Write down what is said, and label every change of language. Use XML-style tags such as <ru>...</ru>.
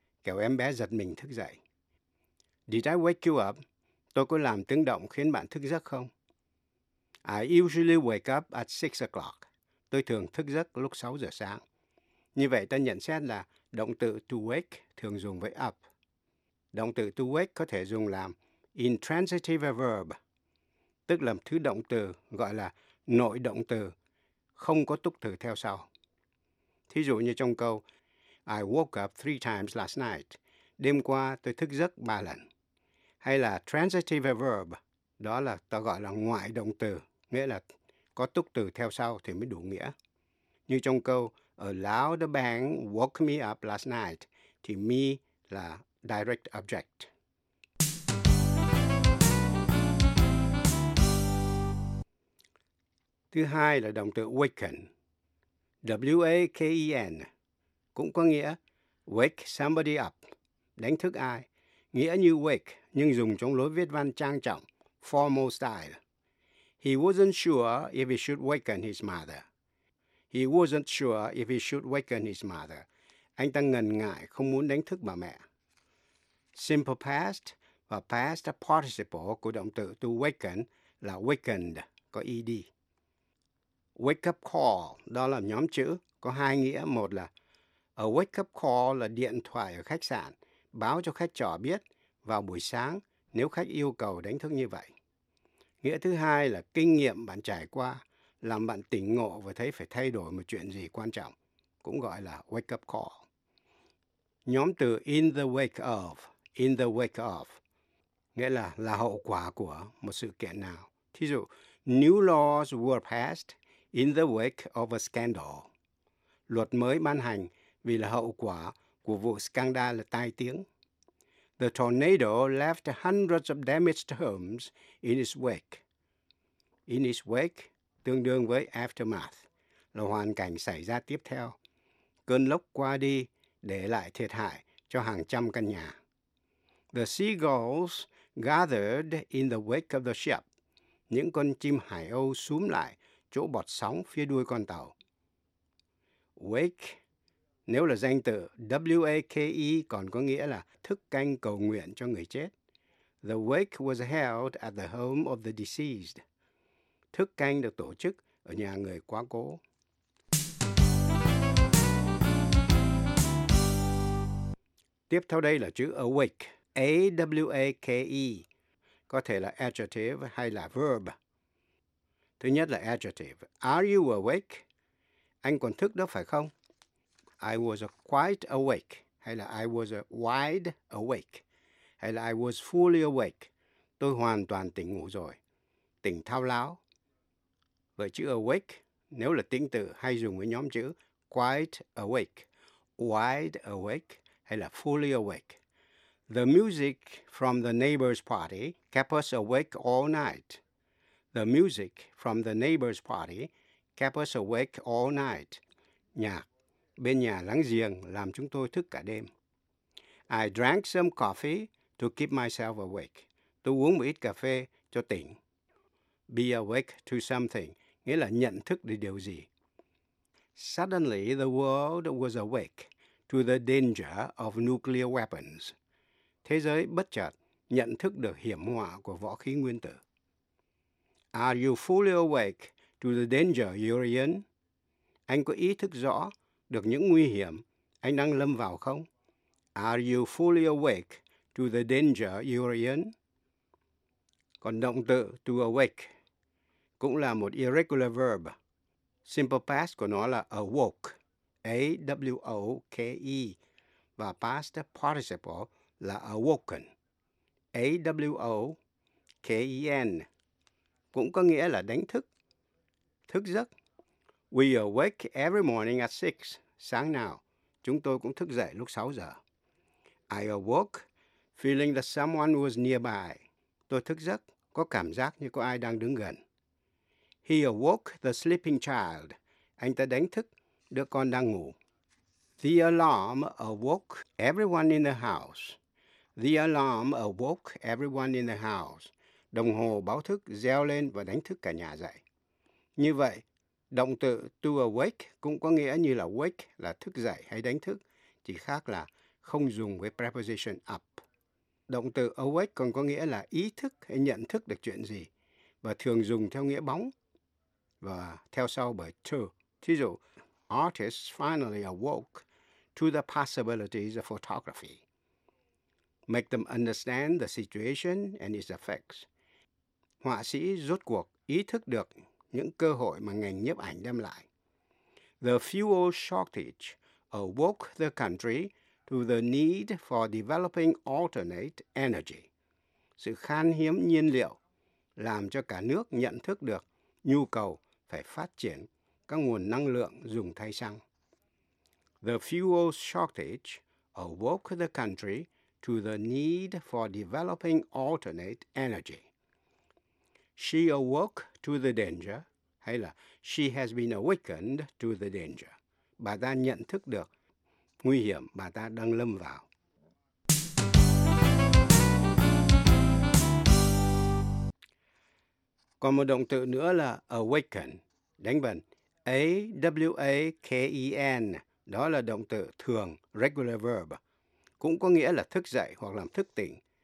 <vi>Kẻo em bé giật mình thức dậy.</vi> <en>Did I wake you up?</en> <vi>Tôi có làm tiếng động khiến bạn thức giấc không?</vi> <en>I usually wake up at 6 o'clock.</en> <vi>Tôi thường thức giấc lúc 6 giờ sáng. Như vậy ta nhận xét là động từ to wake thường dùng với up. Động từ to wake có thể dùng làm intransitive verb, tức là thứ động từ gọi là nội động từ, không có túc từ theo sau. Thí dụ như trong câu,</vi> <en>I woke up 3 times last night.</en> <vi>Đêm qua tôi thức giấc 3 lần. Hay là</vi> <en>transitive verb,</en> <vi>đó là ta gọi là ngoại động từ, nghĩa là có túc từ theo sau thì mới đủ nghĩa. Như trong câu,</vi> <en>A loud bang woke me up last night,</en> <vi>thì me là</vi> <en>direct object.</en> <vi>Thứ hai là động từ waken, W-A-K-E-N, cũng có nghĩa wake somebody up, đánh thức ai, nghĩa như wake, nhưng dùng trong lối viết văn trang trọng, formal style.</vi> <en>He wasn't sure if he should waken his mother. He wasn't sure if he should waken his mother.</en> <vi>Anh ta ngần ngại không muốn đánh thức bà mẹ.</vi> <en>Simple past và past participle</en> <vi>của động từ to waken là wakened, có ed. wake up call, đó là nhóm chữ, có hai nghĩa. Một là a wake up call là điện thoại ở khách sạn, báo cho khách trọ biết vào buổi sáng nếu khách yêu cầu đánh thức như vậy. Nghĩa thứ hai là kinh nghiệm bạn trải qua, làm bạn tỉnh ngộ và thấy phải thay đổi một chuyện gì quan trọng, cũng gọi là wake up call. Nhóm từ in the wake of, nghĩa là hậu quả của một sự kiện nào. Thí dụ,</vi> <en>new laws were passed in the wake of a scandal.</en> <vi>Luật mới ban hành vì là hậu quả của vụ scandal là tai tiếng.</vi> <en>The tornado left hundreds of damaged homes in its wake.</en> <vi>In its wake, tương đương với aftermath, là hoàn cảnh xảy ra tiếp theo. Cơn lốc qua đi để lại thiệt hại cho hàng trăm căn nhà.</vi> <en>The seagulls gathered in the wake of the ship.</en> <vi>Những con chim hải âu xúm lại chỗ bọt sóng phía đuôi con tàu. Wake, nếu là danh từ, W-A-K-E còn có nghĩa là thức canh cầu nguyện cho người chết.</vi> <en>The wake was held at the home of the deceased.</en> <vi>Thức canh được tổ chức ở nhà người quá cố. Tiếp theo đây là chữ awake, A-W-A-K-E, có thể là adjective hay là verb. Thứ nhất là adjective.</vi> <en>Are you awake?</en> <vi>Anh còn thức đó phải không?</vi> <en>I was quite awake.</en> <vi>Hay là</vi> <en>I was wide awake. Hay là I was fully awake.</en> <vi>Tôi hoàn toàn tỉnh ngủ rồi. Tỉnh thao láo. Vậy chữ awake, nếu là tính từ hay dùng với nhóm chữ</vi> <en>quite awake, wide awake</en> <vi>hay là</vi> <en>fully awake. The music from the neighbor's party kept us awake all night. The music from the neighbor's party kept us awake all night.</en> <vi>Nhạc bên nhà láng giềng làm chúng tôi thức cả đêm.</vi> <en>I drank some coffee to keep myself awake.</en> <vi>Tôi uống một ít cà phê cho tỉnh.</vi> <en>Be awake to something,</en> <vi>nghĩa là nhận thức được điều gì.</vi> <en>Suddenly the world was awake to the danger of nuclear weapons.</en> <vi>Thế giới bất chợt nhận thức được hiểm họa của vũ khí nguyên tử.</vi> <en>Are you fully awake to the danger you're in?</en> <vi>Anh có ý thức rõ được những nguy hiểm anh đang lâm vào không?</vi> <en>Are you fully awake to the danger you're in?</en> <vi>Còn động từ to awake cũng là một irregular verb. Simple past của nó là awoke, A-W-O-K-E, và past participle là awoken, A-W-O-K-E-N, cũng có nghĩa là đánh thức, thức giấc.</vi> <en>We awake every morning at 6,</en> <vi>sáng nào, chúng tôi cũng thức dậy lúc 6 giờ.</vi> <en>I awoke feeling that someone was nearby.</en> <vi>Tôi thức giấc, có cảm giác như có ai đang đứng gần.</vi> <en>He awoke the sleeping child.</en> <vi>Anh ta đánh thức đứa con đang ngủ.</vi> <en>The alarm awoke everyone in the house. The alarm awoke everyone in the house.</en> <vi>Đồng hồ báo thức reo lên và đánh thức cả nhà dậy. Như vậy, động từ</vi> <en>to awake</en> <vi>cũng có nghĩa như là wake là thức dậy hay đánh thức, chỉ khác là không dùng với preposition up. Động từ awake còn có nghĩa là ý thức hay nhận thức được chuyện gì và thường dùng theo nghĩa bóng và theo sau bởi to. Thí dụ,</vi> <en>artists finally awoke to the possibilities of photography. Make them understand the situation and its effects.</en> <vi>Họa sĩ rốt cuộc ý thức được những cơ hội mà ngành nhiếp ảnh đem lại.</vi> <en>The fuel shortage awoke the country to the need for developing alternate energy.</en> <vi>Sự khan hiếm nhiên liệu làm cho cả nước nhận thức được nhu cầu phải phát triển các nguồn năng lượng dùng thay xăng.</vi> <en>The fuel shortage awoke the country to the need for developing alternate energy. She awoke to the danger,</en> <vi>hay là</vi> <en>she has been awakened to the danger.</en> <vi>Bà ta nhận thức được nguy hiểm bà ta đang lâm vào. Còn một động từ nữa là awaken, đánh bần. A-W-A-K-E-N, đó là động từ thường, regular verb, cũng có nghĩa là thức dậy hoặc làm thức tỉnh.</vi>